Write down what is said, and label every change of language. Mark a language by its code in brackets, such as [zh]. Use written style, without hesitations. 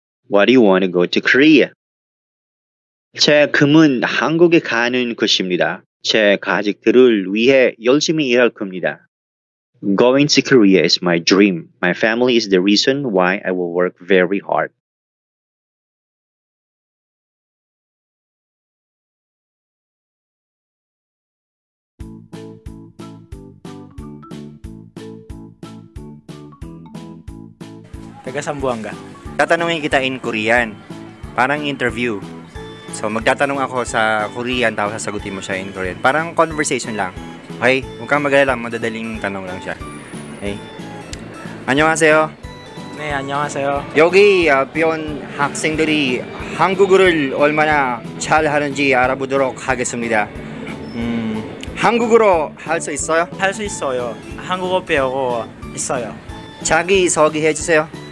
[en] Why do you want to go to Korea? [ko] 제 꿈은 한국에 가는 것입니다. 제 가족들을 위해 열심히 일할 겁니다. [en] Going to Korea is my dream. My family is the reason why I will work very hard. [tl] 태가 삼부 안가. Tatanungin kita in Korean. Parang interview. So magtatanong ako sa Korean tapos sasagutin mo siya in Korean. Parang conversation lang. Okay? Huwag kang mag-alala, madadaling tanong lang siya. [ko] Okay? 안녕하세요. 네, 안녕하세요. 여기 배운 학생들이 한국어를 얼마나 잘 하는지 알아보도록 하겠습니다. 한국어로 할 수 있어요? 할 수 있어요. 한국어 배우고 있어요. 자기 소개해 주세요.